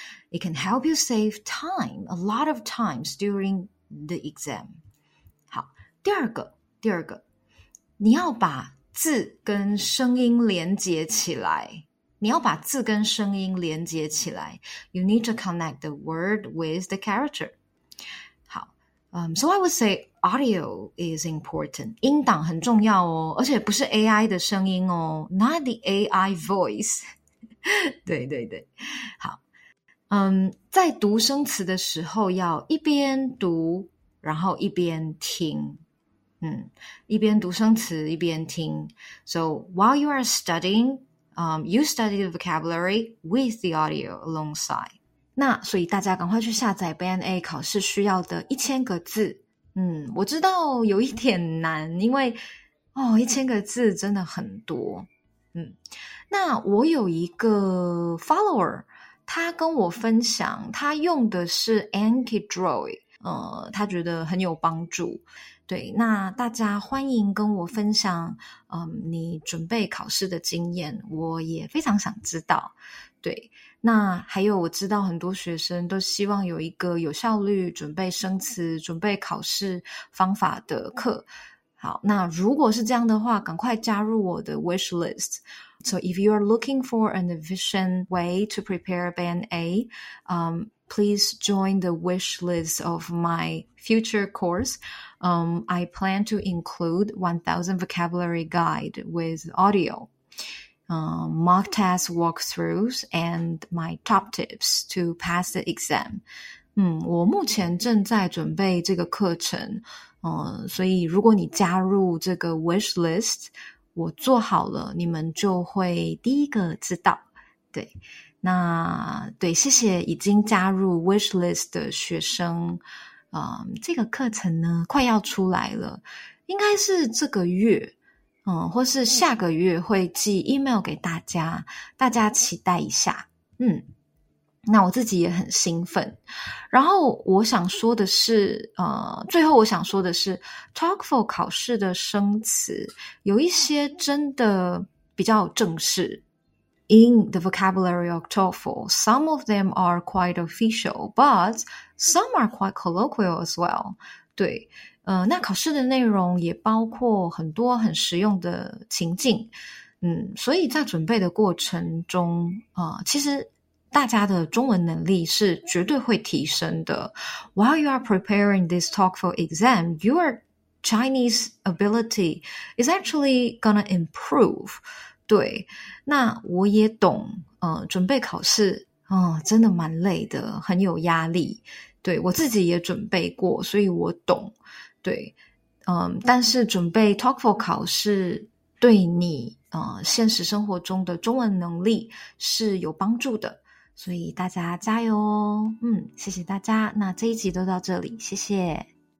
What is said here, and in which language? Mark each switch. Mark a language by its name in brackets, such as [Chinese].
[English] It can help you save time, a lot of times during the exam. [Chinese] 好，第二个，你要把字跟声音连接起来。 [English] You need to connect the word with the character. 好，so I would say audio is important. [Chinese] 音档很重要哦，而且不是 AI 的声音哦， [English] not the AI voice. [Chinese] 对，好，在读生词的时候要一边读，然后一边听。一边读生词一边听。 [English] So while you are studying, you study the vocabulary with the audio alongside. [Chinese] 那所以大家赶快去下载 Band A 考试需要的1000个字。我知道有一点难，因为1000个字真的很多。那我有一个 follower， 他跟我分享他用的是 AnkiDroid， 他觉得很有帮助。对，那大家欢迎跟我分享你准备考试的经验，我也非常想知道。对，那还有我知道很多学生都希望有一个有效率准备生词准备考试方法的课。好，那如果是这样的话，赶快加入我的 wish list。 [English] So if you are looking for an efficient way to prepare Band A, please join the wish list of my future course. I plan to include 1000 vocabulary guide with audio, mock test walkthroughs, and my top tips to pass the exam. [Chinese] 我目前正在准备这个课程，所以如果你加入这个 wish list, 我做好了，你们就会第一个知道。对。那对，谢谢已经加入 wish list 的学生，这个课程呢快要出来了，应该是这个月，或是下个月会寄 email 给大家，大家期待一下。那我自己也很兴奋。然后我想说的是，最后我想说的是 TOEFL 考试的生词有一些真的比较正式。 [English] In the vocabulary of TOEFL, some of them are quite official, but some are quite colloquial as well. [Chinese] 对，那考试的内容也包括很多很实用的情境。所以在准备的过程中，其实大家的中文能力是绝对会提升的。 [English] While you are preparing this talk for exam, your Chinese ability is actually gonna improve. [Chinese] 对，那我也懂，准备考试，真的蛮累的，很有压力。对，我自己也准备过，所以我懂。对，但是准备 TOEFL 考试对你现实生活中的中文能力是有帮助的，所以大家加油哦。谢谢大家，那这一集就到这里，谢谢。